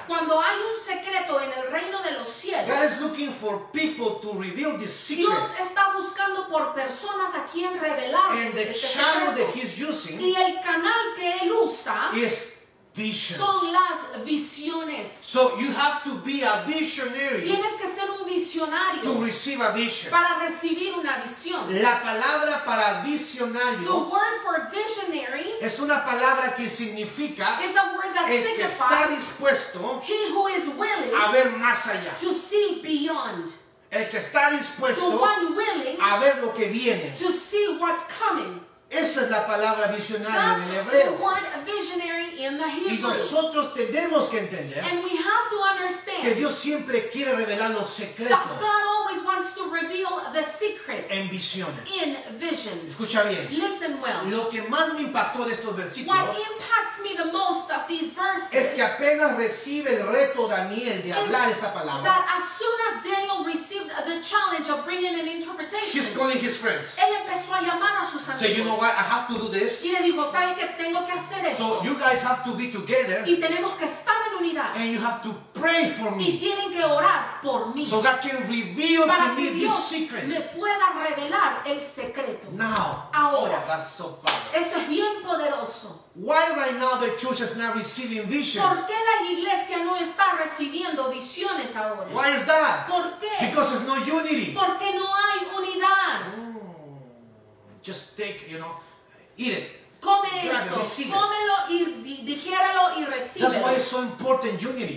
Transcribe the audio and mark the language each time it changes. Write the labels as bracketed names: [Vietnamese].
[Spanish] Cuando hay un secreto en el reino de los cielos. [English] God is looking for people to reveal this secret. [Spanish] Dios está buscando por personas a quien revelar este secreto. [English] And the channel that he's using. [Spanish] Y el canal que él usa. [English] Is visions. [Spanish] Son las visiones. [English] So you have to be a visionary. [Spanish] Tienes que ser un visionario. [English] To receive a vision. [Spanish] Para recibir una visión. La palabra para visionario. [English] The word for visionary. [Spanish] Es una palabra que significa. [English] Is a word that [Spanish] el que está dispuesto. [English] He who is willing. [Spanish] A ver más allá. [English] To see beyond. [Spanish] El que está dispuesto. [English] The one willing. [Spanish] A ver lo que viene. [English] To see what's coming. [Spanish] Esa es la palabra visionario en hebreo. [English] The word visionary in the Hebrew. [Spanish] Y nosotros tenemos que entender. [English] And we have to understand. [Spanish] Que Dios siempre quiere revelar los secretos. [English] That God always wants to reveal the secrets. [Spanish] En visiones. [English] In visions. [Spanish] Escucha bien. [English] Listen well. [Spanish] Lo que más me impactó de estos versículos. [English] What impacts me the most of these verses. [Spanish] Es que apenas recibe el reto Daniel de hablar esta palabra. [English] That as soon as Daniel received the challenge of bringing an interpretation. He's calling his friends. [Spanish] Él empezó a llamar a sus amigos. [English] So, you know what? I have to do this. [Spanish] Y le digo, ¿sabes qué? Tengo que hacer esto. [English] So you guys have to be together. [Spanish] Y tenemos que estar en unidad. [English] And you have to pray for me. [Spanish] Y tienen que orar por mí. [English] So God can reveal [Spanish] para [English] to me this secret. [Spanish] Me pueda revelar el secreto. [English] Now. [Spanish] Ahora. [English] Oh, that's so powerful. [Spanish] Esto es bien poderoso. [English] Why right now the church is not receiving visions? [Spanish] ¿Por qué la iglesia no está recibiendo visiones ahora? [English] Why is that? [Spanish] ¿Por qué? [English] Because there's no unity. [Spanish] Porque no hay unidad. [English] Just take, you know, eat it. [Spanish] Come esto, cómelo y digiéralo y recíbelo. [English] That's why it's so important, unity.